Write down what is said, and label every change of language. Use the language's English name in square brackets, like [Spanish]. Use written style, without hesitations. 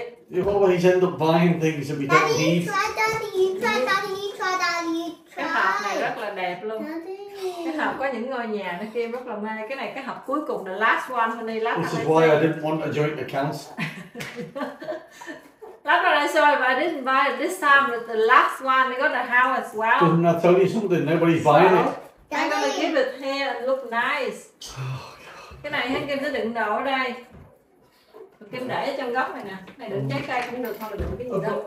[English] you always end up buying things that we Daddy, don't need. You try, Daddy. [Vietnamese] Cái hộp này rất là đẹp luôn. Cái hộp có những ngôi nhà nó kia rất là mê. Cái này cái hộp cuối cùng là [English] last one, honey. Last this is why I didn't want a joint account. Last one I saw, but I didn't buy it this time. But the last one, they got the house as well. Didn't I tell you something? Nobody's buying it. I'm gonna give it here and look nice. [Vietnamese] Oh, cái này hết Kim sẽ đựng đồ ở đây. Kim để trong góc này nè. Này đựng trái cây cũng được, thôi đựng cái gì đâu.